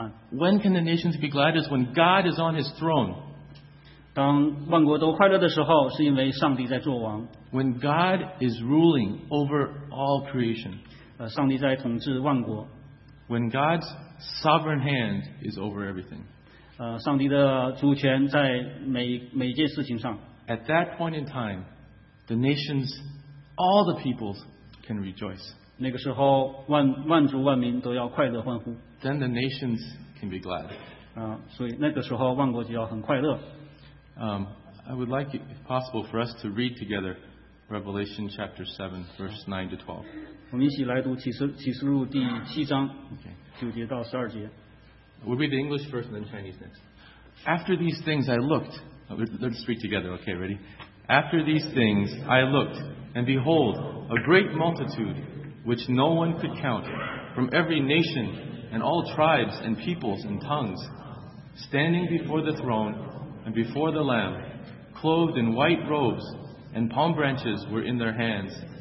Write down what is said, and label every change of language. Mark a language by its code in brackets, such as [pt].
[en] When can the nations be glad is when God is on His throne. [zh] 当万国都快乐的时候，是因为上帝在作王。 [en] When God is ruling over all creation. [zh] 上帝在统治万国。 [en] When God's sovereign hand is over everything. [zh] 上帝的主权在每件事情上。 [en] At that point in time, the nations, all the peoples can rejoice. [zh] 那个时候万族万民都要快乐欢呼。 [en] Then the nations can be glad. [zh] 所以那个时候万国就要很快乐。 [en] I would like, if possible, for us to read together Revelation chapter 7, verse 9 to 12. [zh] 我们一起来读启示录第七章九节到十二节。 [en] We'll read the English first and then Chinese next. After these things I looked, let's read together, okay, ready? After these things I looked, and behold, a great multitude, which no one could count, from every nation and all tribes and peoples and tongues, standing before the throne and before the Lamb, clothed in white robes, and palm branches were in their hands.